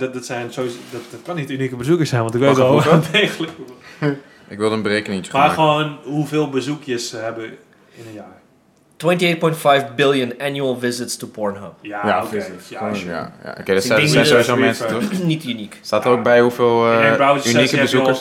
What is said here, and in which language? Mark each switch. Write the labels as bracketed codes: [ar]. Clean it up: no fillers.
[nl] Dat zijn sowieso, dat kan niet unieke bezoekers zijn, want ik weet wel degelijk. Ik wil een berekeningetje maar gemaakt. Gewoon hoeveel bezoekjes ze hebben in een jaar. [en] 28,5 billion annual visits to Pornhub. [nl] Ja, ja oké. Okay. Ja, dat zijn sowieso mensen, toch? Niet uniek. Staat er ook bij hoeveel unieke bezoekers